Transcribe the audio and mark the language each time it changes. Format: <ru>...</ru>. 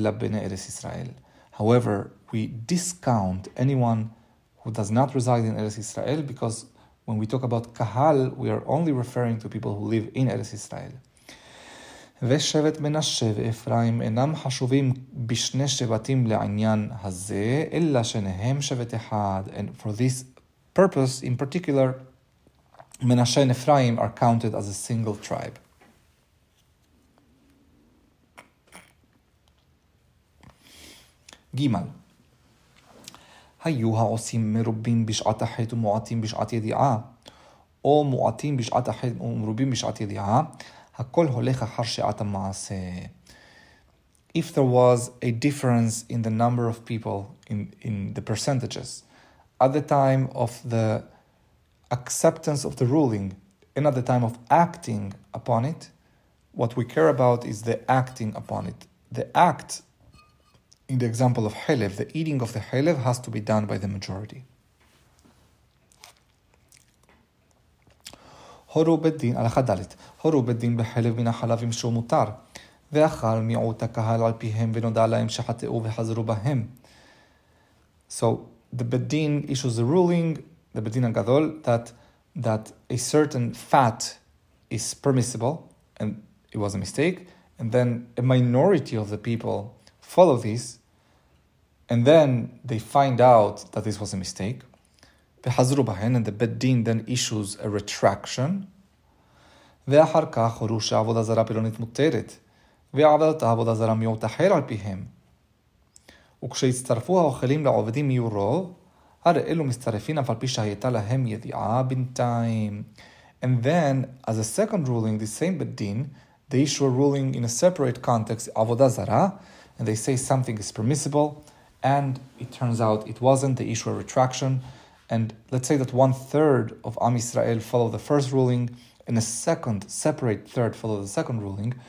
<en>However, we discount anyone who does not reside in Eretz Yisrael, because when we talk about Kahal, we are only referring to people who live in Eretz Yisrael.</en> <he>ושבט מנשה ואפרים אינם חשובים בשני שבטים לעניין הזה, אלא שניהם שבט אחד.</he> <en>And for this purpose, in particular, מנשה and אפרים are counted as a single tribe.</en> <he>גימל. היו העושים מרובים בשעת החטא ומועטים בשעת ידיעה, או מועטים בשעת החטא ומרובים בשעת ידיעה, הכל הולך אחר שעת המעשה.</he> <en>If there was a difference in the number of people, in the percentages, at the time of the acceptance of the ruling, and at the time of acting upon it, what we care about is the acting upon it. The act, in the example of Helev, the eating of the Helev has to be done by the majority.</en> <he>הורו בדין על החדלת, הורו בדין בחלב מן החלבים שהוא מותר, ואחר מיעוט הקהל על פיהם ונודע להם שחטאו וחזרו בהם.</he> <en>So the בדין issues a ruling, the בדין הגדול, that a certain fat is permissible, and it was a mistake, and then a minority of the people follow this, and then they find out that this was a mistake.</en> <he>וחזרו בהן,</he> <en>and the Bet Din then issues a retraction.</en> <he>ואחר כך הורו שעבודה זרה פלונית מותרת, ועבדת עבודה זרה מיעוט אחר על פיהם. וכשהצטרפו האוכלים לעובדים מיהו רוב, הרי אלו מצטרפים אף על פי שהייתה להם ידיעה בינתיים.</he> <en>And then, as a second ruling, the same Bet Din, they issue a ruling in a separate context, עבודה זרה, and they say something is permissible, and it turns out it wasn't, they issue a retraction. And let's say that 1/3 of Am Yisrael follow the first ruling, and a second, separate third follow the second ruling.</en>